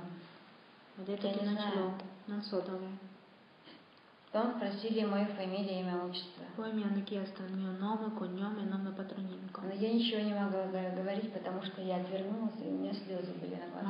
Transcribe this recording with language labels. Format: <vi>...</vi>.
<it>ho detto che non ce l'ho, non so dove.</it> <ru>Потом спросили мою фамилию, имя, отчество.</ru> <it>Poi mi hanno chiesto il mio nome, cognome, nome patronimico.</it> <ru>Но я ничего не могла говорить, потому что я отвернулась, и у меня слезы были на глазах.</ru>